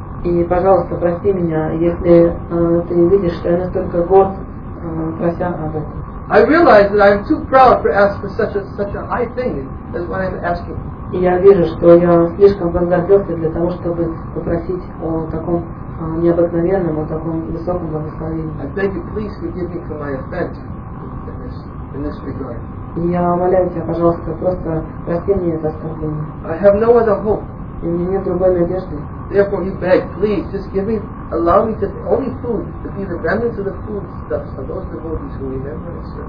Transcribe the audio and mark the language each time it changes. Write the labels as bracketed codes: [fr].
[ru] И, пожалуйста, прости меня, если ты видишь, что я настолько горд, прося об этом. [en] I realize that I'm too proud for asking for such a high thing as what I'm asking. [ru] И я вижу, что я слишком возгордился для того, чтобы попросить о таком необыкновенном, о таком высоком благословении. [en] I beg you, please forgive me for my offense in this regard. [ru] И я умоляю тебя, пожалуйста, просто прости меня за оскорбление. [en] I have no other hope. [ru] И у меня нет другой надежды. [en] Therefore he begged, please, just give me, allow me to, only food, to be the remnants of the food stuffs of those devotees who remember us.